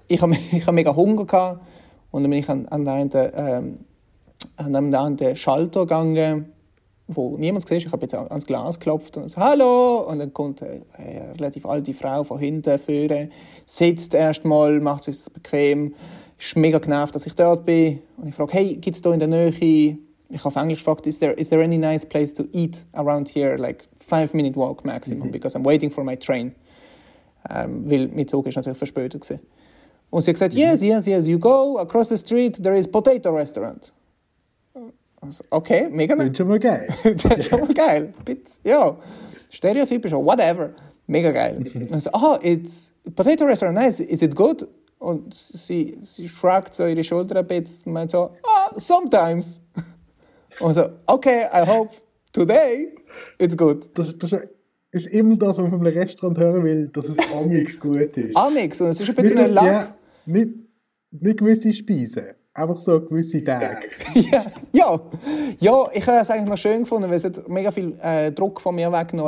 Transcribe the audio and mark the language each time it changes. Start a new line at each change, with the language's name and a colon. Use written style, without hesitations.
German: Ich habe mega Hunger gehabt und dann bin ich an den Schalter gegangen, wo niemand gesehen ist. Ich habe jetzt ans Glas geklopft und so, hallo! Und dann kommt eine relativ alte Frau von hinten führen, sitzt erst mal, macht sich bequem, ist mega genervt, dass ich dort bin. Und ich frage, hey, gibt es da in der Nähe? Ich habe auf Englisch gefragt,
English: is there any nice place to eat around here? Like 5-minute walk maximum, because I'm waiting for my train.
German: Weil mein Zug ist natürlich verspätet gewesen. Und sie hat gesagt,
English: yes, you go across the street, there is potato restaurant.
German: Okay, mega nice. Das ist schon mal geil. Ja, stereotypisch, whatever. Mega geil. Und so,
English: oh, it's potato restaurant, nice, is it good?
German: Und sie shrugged so ihre Schulter ein bisschen und meint so,
English: oh, sometimes.
German: Und so,
English: okay, I hope today it's good.
German: Das ist immer das, was man vom Restaurant hören will, dass es amix gut ist. Amix, und es ist ein bisschen ein Lack. Ja, nicht gewisse Speisen. Einfach so gewisse Tage. Ja, ich habe es eigentlich noch schön gefunden, weil es hat mega viel Druck von mir weggenommen.